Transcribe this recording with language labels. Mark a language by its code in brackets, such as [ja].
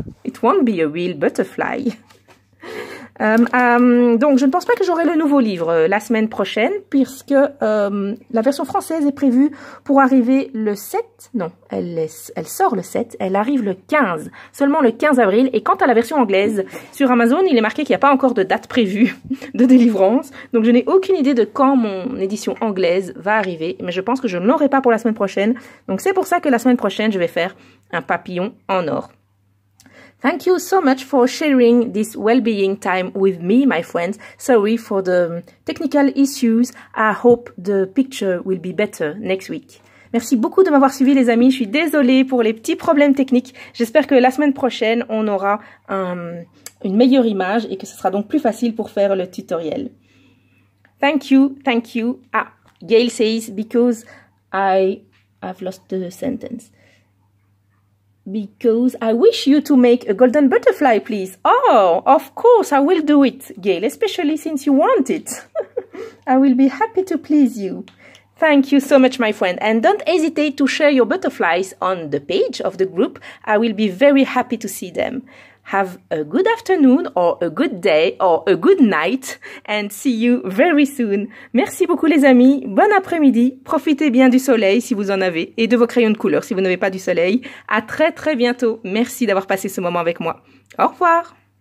[en] It won't be a real butterfly. [fr] Donc, je ne pense pas que j'aurai le nouveau livre la semaine prochaine, puisque la version française est prévue pour arriver le 7. Non, elle sort le 7. Elle arrive le 15, seulement le 15 avril. Et quant à la version anglaise, sur Amazon, il est marqué qu'il n'y a pas encore de date prévue de délivrance. Donc, je n'ai aucune idée de quand mon édition anglaise va arriver. Mais je pense que je ne l'aurai pas pour la semaine prochaine. Donc, c'est pour ça que la semaine prochaine, je vais faire un papillon en or. [en] Thank you so much for sharing this well-being time with me, my friends. Sorry for the technical issues. I hope the picture will be better next week. [fr] Merci beaucoup de m'avoir suivi, les amis. Je suis désolée pour les petits problèmes techniques. J'espère que la semaine prochaine, on aura une meilleure image et que ce sera donc plus facile pour faire le tutoriel. [en] Thank you. Ah, Gail says, because I have lost the sentence. Because I wish you to make a golden butterfly, please. Oh, of course, I will do it, Gail, especially since you want it. I will be happy to please you. Thank you so much, my friend. And don't hesitate to share your butterflies on the page of the group. I will be very happy to see them. Have a good afternoon, or a good day, or a good night, and see you very soon. [fr] Merci beaucoup, les amis. Bon après-midi. Profitez bien du soleil, si vous en avez, et de vos crayons de couleur, si vous n'avez pas du soleil. À très, très bientôt. Merci d'avoir passé ce moment avec moi. Au revoir.